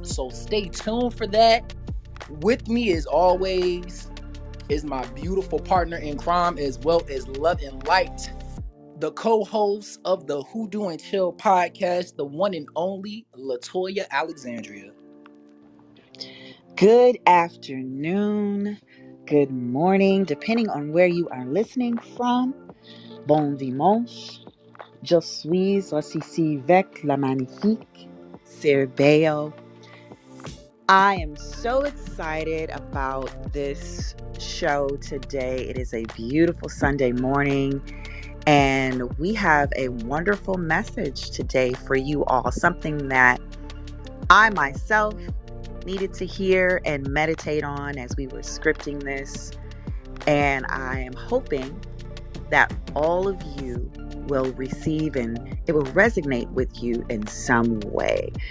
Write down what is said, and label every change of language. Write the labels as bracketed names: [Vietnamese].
[English] So stay tuned for that. With me, as always, is my beautiful partner in crime, as well as love and light, the co-host of the Who Do and Chill podcast, the one and only LaToya Alexandria. Good afternoon, good morning, depending on where you are listening from. [French] Bon dimanche, je suis aussi avec la magnifique Cerbeo. [English] I am so excited about this show today. It is a beautiful Sunday morning, and we have a wonderful message today for you all. Something that I myself needed to hear and meditate on as we were scripting this, and I am hoping that all of you will receive and it will resonate with you in some way.